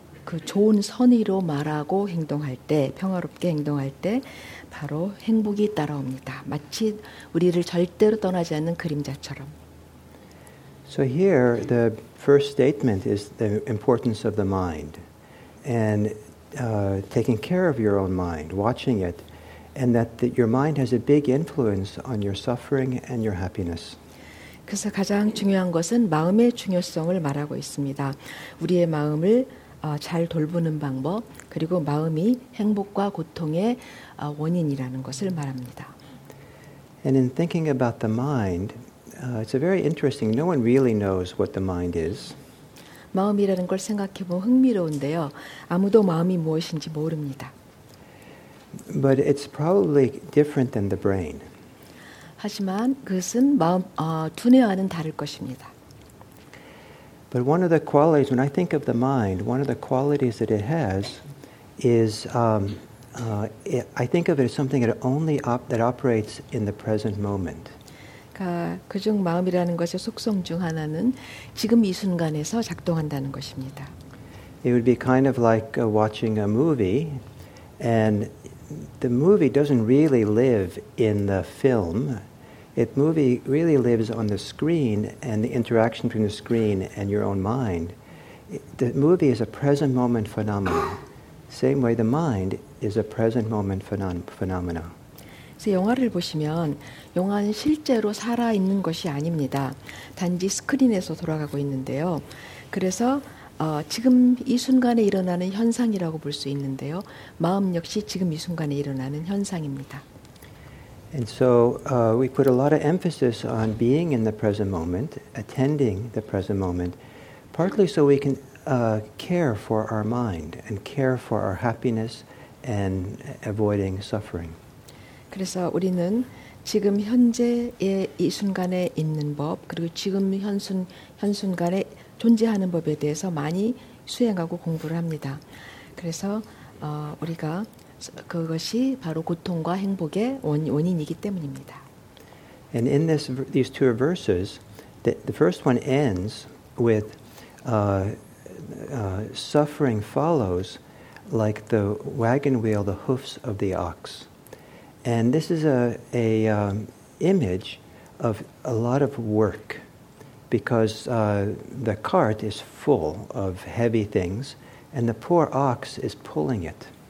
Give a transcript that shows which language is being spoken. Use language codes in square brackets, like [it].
[ko] 그 좋은 선의로 말하고 행동할 때, 평화롭게 행동할 때 바로 행복이 따라옵니다. 마치 우리를 절대로 떠나지 않는 그림자처럼. [en] So here the first statement is the importance of the mind and taking care of your own mind, watching it, and that your mind has a big influence on your suffering and your happiness. [ko] 그래서 가장 중요한 것은 마음의 중요성을 말하고 있습니다. 우리의 마음을 잘 돌보는 방법, 그리고 마음이 행복과 고통의 원인이라는 것을 말합니다. [en] And in thinking about the mind, it's a very interesting. No one really knows what the mind is. [ko] 마음이라는 걸 생각해 보면 흥미로운데요. 아무도 마음이 무엇인지 모릅니다. [en] But it's probably different than the brain. [ko] 하지만 그것은 마음 두뇌와는 다를 것입니다. [en] But one of the qualities, when I think of the mind, one of the qualities that it has is I think of it as something that only that operates in the present moment. [ko] 그중 마음이라는 것의 속성 중 하나는 지금 이 순간에서 작동한다는 것입니다. [en] It would be kind of like watching a movie, and the movie doesn't really live in the film. The movie really lives on the screen and the interaction between the screen and your own mind. The movie is a present moment phenomenon. Same way the mind is a present moment phenomenon. [ko] 그래서 영화를 보시면 영화는 실제로 살아있는 것이 아닙니다. 단지 스크린에서 돌아가고 있는데요. 그래서 지금 이 순간에 일어나는 현상이라고 볼 수 있는데요. 마음 역시 지금 이 순간에 일어나는 현상입니다. [en] And so we put a lot of emphasis on being in the present moment, attending the present moment, partly so we can care for our mind and care for our happiness and avoiding suffering. [ko] 그래서 우리는 지금 현재의 이 순간에 있는 법, 그리고 지금 현 순간에 존재하는 법에 대해서 많이 수행하고 공부를 합니다. 그래서 우리가 그것이 바로 고통과 행복의 원인이기 때문입니다. [en] And in this, these two verses, the first one ends with suffering follows like the wagon wheel, the hoofs of the ox. And this is a image of a lot of work because the cart is full of heavy things and the poor ox is pulling it.